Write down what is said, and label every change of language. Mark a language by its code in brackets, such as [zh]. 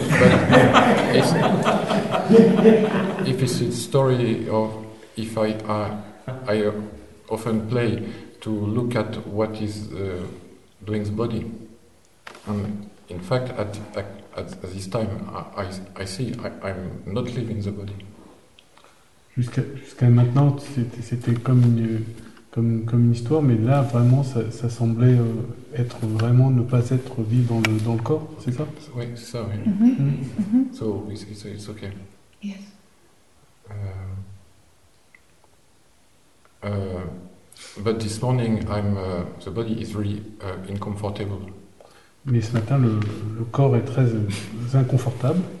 [en] But if it's a story of if I often play to look at what is doing the body, and in fact at this time I see I'm not living the body. [fr] Jusqu'à maintenant, c'était comme une comme une histoire, mais là vraiment ça semblait être vraiment ne pas être vivre dans le corps, c'est ça? Oui, c'est ça, oui. Mm-hmm. Mm-hmm. [en] So it's okay. Yes. But this morning I'm the body is really uncomfortable. [fr] Mais ce matin le corps est très inconfortable.